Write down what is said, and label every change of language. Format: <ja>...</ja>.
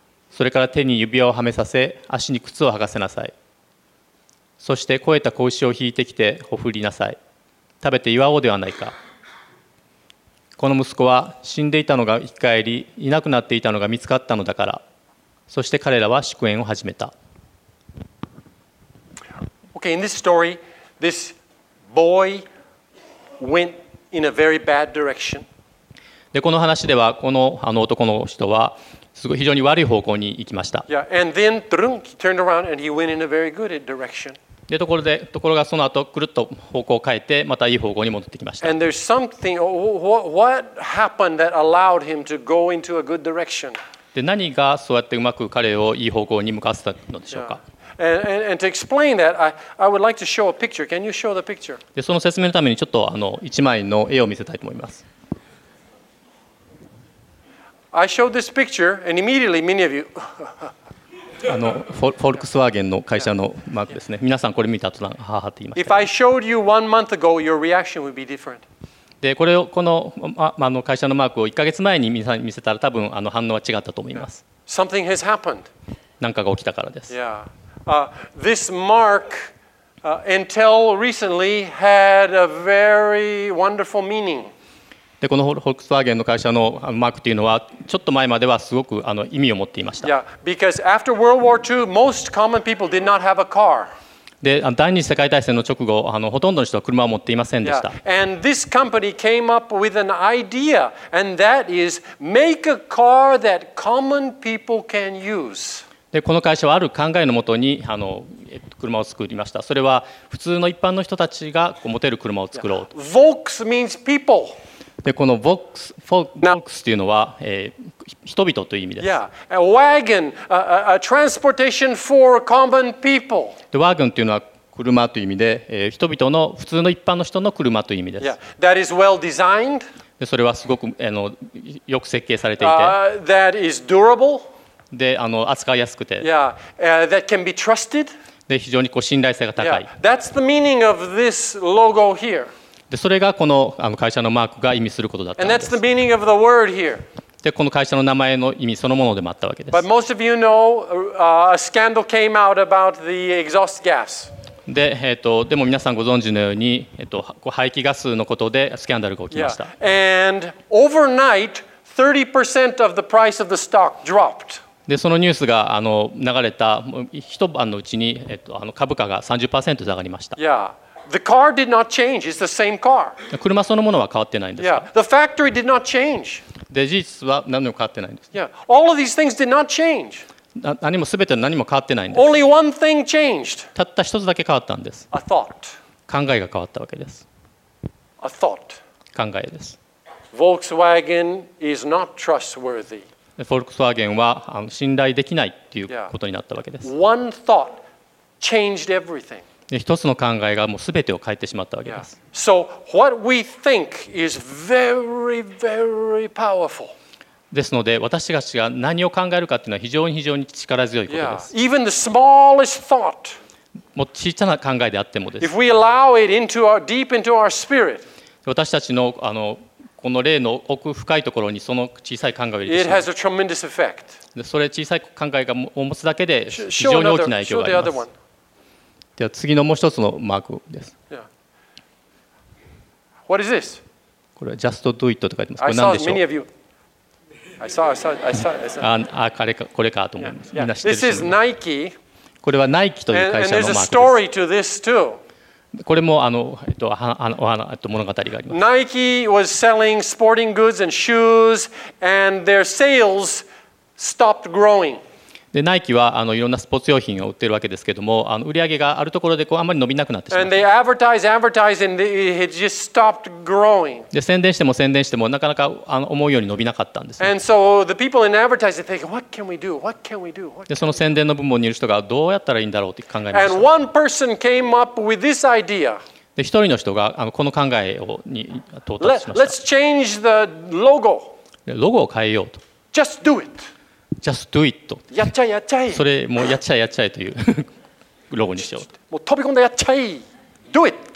<ja>それから手に指輪をはめさせ、足に靴を履かせなさい。そして肥えた子牛を引いてきて、ほふりなさい。食べて祝おうではないか。この息子は死んでいたのが生き返り、いなくなっていたのが見つかったのだから。そして彼らは祝宴を始めた。</ja> <en>Okay, in this story, this boy went in a very bad direction.</en> <ja>で、この話では、この男の人は、すごい非常に悪い方向に行きました。</ja> <en>Yeah, and then, he turned around and he went in a very good direction.</en> <ja>で、ところがその後、くるっと方向を変えて、またいい方向に戻ってきました。</ja> <en>And there's something, what happened that allowed him to go into a good direction?</en> <ja>で、何がそうやってうまく彼をいい方向に向かせたのでしょうか。</ja> <en>Yeah. And to explain that, I would like to show a picture. Can you show the picture?</en> <ja>で、その説明のためにちょっと一枚の絵を見せたいと思います。</ja> <en>I showed this picture, and immediately many of you.</en> <ja>フォルクスワーゲンの会社のマークですね。皆さんこれ見た途端、ははって言いました。</ja> <en>If I showed you one month ago, your reaction would be different.</en> <ja>で、これをこの会社のマークを1ヶ月前に皆さんに見せたら、多分反応は違ったと思います。</ja> <en>Something has happened.</en> <ja>何かが起きたからです。</ja> <en>Yeah. This mark, until recently, had a very wonderful meaning.</en> <ja>で、このフォルクスワーゲンの会社のマークというのは、ちょっと前まではすごく意味を持っていました。</ja> <en>Yeah, because after World War II, most common people did not have a car.</en> <ja>で、第二次世界大戦の直後、ほとんどの人は車を持っていませんでした。</ja> <en>Yeah, and this company came up with an idea, and that is make a car that common people can use.</en> <ja>で、この会社はある考えのもとに車を作りました。それは普通の一般の人たちが持てる車を作ろうと。</ja> <en>Vox means people.</en> <ja>で、この Vox というのは、人々という意味です。</ja> <en>Yeah, a wagon, a transportation for common people.</en> <ja>で、ワーグンというのは車という意味で、人々の普通の一般の人の車という意味です。</ja> <en>Yeah, that is well designed.</en> <ja>で、それはすごくよく設計されていて。</ja> <en>That is durable.</en> <ja>で、扱いやすくて、</ja> <en>yeah. That can be trusted.</en> <ja>で、非常にこう信頼性が高い、</ja> <en>yeah. That's the meaning of this logo here.</en> <ja>で、それがこの会社のマークが意味することだったんです。</ja> <en>And that's the meaning of the word here.</en> <ja>で、この会社の名前の意味そのものでもあったわけです。</ja> <en>But most of you know, a scandal came out about the exhaust gas.</en> <ja>で、でも皆さんご存知のように、排気ガスのことでスキャンダルが起きました。</ja> <en>Yeah. And overnight,30% of the price of the stock dropped.</en> <ja>で、そのニュースが流れた一晩のうちに株価が 30% 下がりました。</ja> <en>Yeah. The car did not change. It's the same car.</en> <ja>車そのものは変わってないんですか?</ja> <en>Yeah. The factory did not change.</en> <ja>で、事実は何も変わってないんです。</ja> <en>Yeah. All of these things did not change.</en> <ja>何も全て何も変わってないんです。</ja> <en>Only one thing changed.</en> <ja>たった一つだけ変わったんです。</ja> <en>A thought.</en> <ja>考えが変わったわけです。</ja> <en>A thought.</en> <ja>考えです。</ja> <en>Volkswagen is not trustworthy.</en> <ja>Volkswagen は信頼できないっていうことになったわけです。</ja> <en>One thought changed everything.</en> <ja>一つの考えがもうすべてを変えてしまったわけです。</ja> <en>So what we think is very, very powerful.</en> <ja>ですので、私たちが何を考えるかっていうのは非常に非常に力強いことです。</ja> <en>Even the smallest thought.</en> <ja>もう小さな考えであってもです。</ja> <en>If we allow it into our deep into our spirit.</en> <ja>私たちのこの例の奥深いところにその小さい考えを入れてしまう。</ja> <en>It has a tremendous effect.</en> <ja>それ小さい考えが持つだけで非常に大きな影響があります。では次のもう一つのマークです。</ja> <en>Yeah. What is this?</en> <ja>これは Just Do It と書いてます。これ何でしょう?</ja> <en>I saw many of you. I saw.</en> <ja>これかと思います。Yeah. みんな知って</ja> <en>る。This is Nike.</en> <ja>これはナイキという会社のマークです。</ja> <en>And there's a story to this too.</en> <ja>これも物語があります。</ja> <en>Nike was selling sporting goods and shoes, and their sales stopped growing.</en> <ja>で、Nike はいろんなスポーツ用品を売ってるわけですけども、売り上げがあるところでこうあんまり伸びなくなってしまった。</ja> <en>And they advertised, and it just stopped growing.</en> <ja>で、宣伝してもなかなか思うように伸びなかったんです、ね。</ja> <en>And so the people in advertising think, what can we do? What can we do?</en> <ja>で、その宣伝の部門にいる人がどうやったらいいんだろうって考えました。</ja> <en>And one person came up with this idea.</en> <ja>で、一人の人がこの考えに到達しました。</ja> <en>Let's change the logo.</en> <ja>ロゴを変えようと。</ja> <en>Just do it. Just do it.</en> <ja>やっちゃえやっちゃえ。それもうやっちゃえやっちゃえというロゴにしようと。もう飛び込んでやっちゃえ。</ja> <en>Do it.</en>